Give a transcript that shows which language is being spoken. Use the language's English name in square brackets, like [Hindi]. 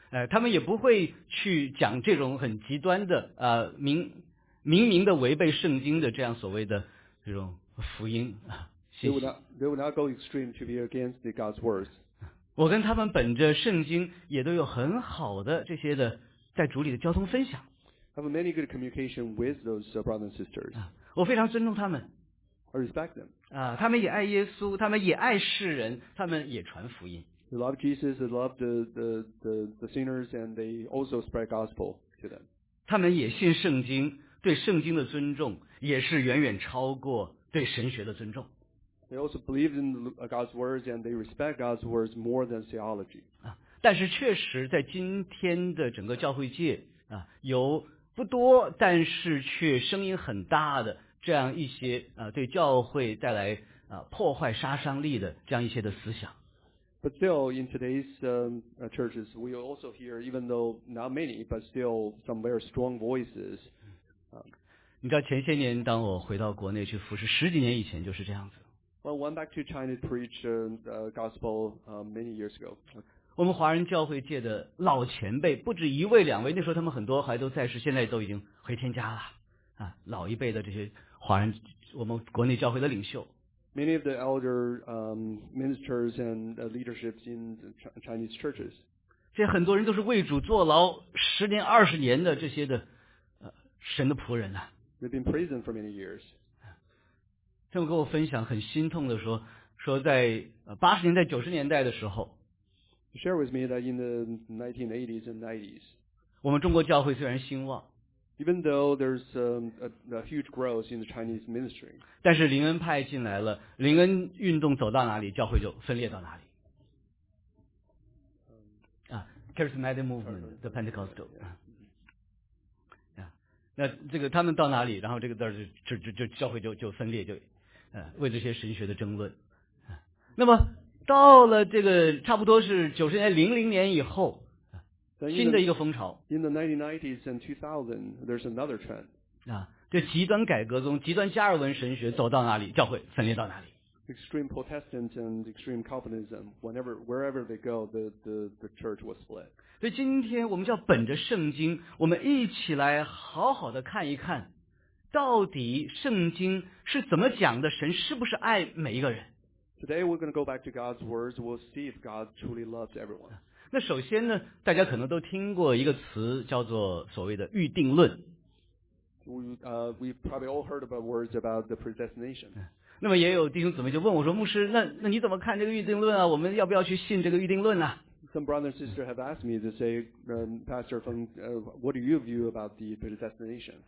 [Chinese] 他们也不会去讲这种很极端的明明的违背圣经的这样所谓的这种福音啊。 [English] They will not go extreme to be against the God's words. [Chinese] 我跟他们本着圣经也都有很好的这些的在主里的交通分享。 [English] Have many good communication with those brothers and sisters. [Chinese] 我非常尊重他们。 [English] I respect them. [Chinese] 他们也爱耶稣，他们也爱世人，他们也传福音。 [English] They love Jesus, they love the sinners, and they also spread gospel to them. [Chinese] 他们也信圣经，对圣经的尊重也是远远超过对神学的尊重。 [English] They also believe in God's words and they respect God's words more than theology. [Chinese] 但是确实在今天的整个教会界有不多但是却声音很大的这样一些对教会带来破坏杀伤力的这样一些的思想。 [English] But still, in today's churches, we also hear, even though not many, but still some very strong voices. [Chinese] 你知道前些年当我回到国内去服侍十几年以前就是这样子。 [English] Well, I went back to China to preach the gospel many years ago. [Chinese] 我们华人教会界的老前辈不止一位两位，那时候他们很多还都在世，现在都已经回天家了啊。老一辈的这些华人，我们国内教会的领袖。 [English] Many of the elder ministers and leaderships in the Chinese churches. [Chinese] 这很多人都是为主坐牢十年、二十年的这些的神的仆人啊。 [English] They've been prison for many years. [Chinese] 他们跟我分享很心痛的说在八十年代九十年代的时候 [English] share with me that in the 1980s and 90s [Chinese] 我们中国教会虽然兴旺 [English] even though there's a huge growth in the Chinese ministry [Chinese] 但是灵恩派进来了灵恩运动走到哪里教会就分裂到哪里 [English] Charismatic movement the Pentecostal、 [Chinese] 那这个他们到哪里然后这个字就教会就分裂就为这些神学的争论。那么到了这个差不多是九十年零零年以后新的一个风潮。 [English] In the 1990s and 2000, there's another trend. [Chinese] 这极端改革宗极端加尔文神学走到哪里教会分裂到哪里。 [English] Extreme Protestants and extreme Calvinism, wherever they go, the church was split. [Chinese] 所以今天我们叫本着圣经我们一起来好好的看一看。到底圣经是怎么讲的神是不是爱每一个人 [English] Today we're going to go back to God's words. We'll see if God truly loves everyone. [Chinese] 那首先呢大家可能都听过一个词叫做所谓的预定论 [English] We probably all heard about words about the predestination. [Chinese] 那么也有弟兄姊妹就问我说牧师那你怎么看这个预定论啊我们要不要去信这个预定论啊 [English] Some brothers and sisters have asked me to say, Pastor Feng, what do you view about the predestination?